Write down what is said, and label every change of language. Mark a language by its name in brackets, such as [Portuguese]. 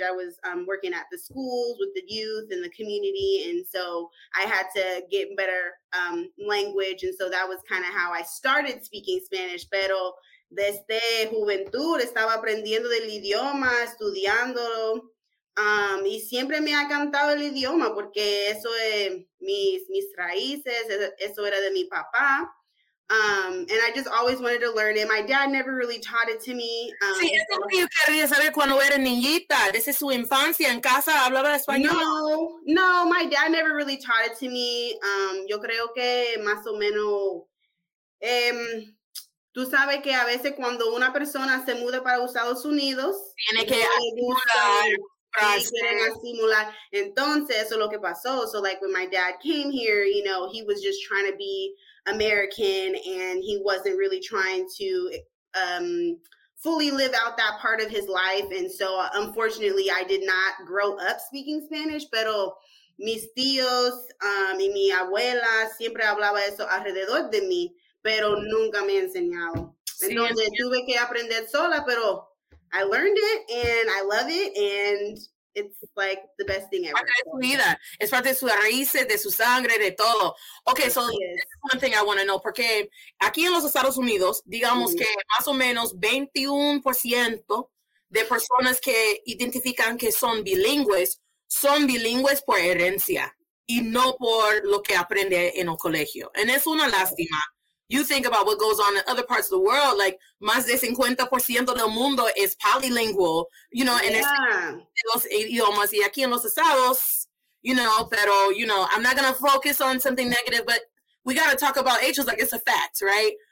[English] I was working at the schools with the youth and the community. And so I had to get better language. And so that was kind of how I started speaking Spanish. [Spanish] Pero desde juventud estaba aprendiendo del idioma, estudiándolo. Y siempre me ha encantado el idioma porque eso es mis raíces, eso era de mi papá. [English] And I just always wanted to learn it. My dad never really taught it to me. [Spanish] Sí, eso es lo que yo quería saber cuando era niñita. Desde su infancia en casa hablaba español. [English] No, my dad never really taught it to me. [Spanish] Yo creo que más o menos... tú sabes que a veces cuando una persona se muda para Estados Unidos... Tiene que ayudar. [English] So like when my dad came here, you know, he was just trying to be American and he wasn't really trying to fully live out that part of his life. And so unfortunately, I did not grow up speaking Spanish, [Spanish] pero mis tíos y mi abuela siempre hablaba eso alrededor de mí, pero nunca me enseñaron. Entonces tuve que aprender sola, pero [English] I learned it and I love it and it's like the best thing ever. [Spanish] Parte de su vida. Es parte de sus raíces, de su sangre, de todo. [English] Okay, so one thing I want to know, [Spanish] porque aquí en los Estados Unidos, digamos que más o menos 21% de personas que identifican que son bilingües, son bilingües por herencia y no por lo que aprende en el colegio. And es una lástima. [English] You think about what goes on in other parts of the world, like [Spanish] más de 50% del mundo [English] is polylingual, you know, and [Spanish] los idiomas y aquí en los Estados, [English] you know, pero, you know, I'm not going to focus on something negative, but we got to talk about ages, like it's a fact, right?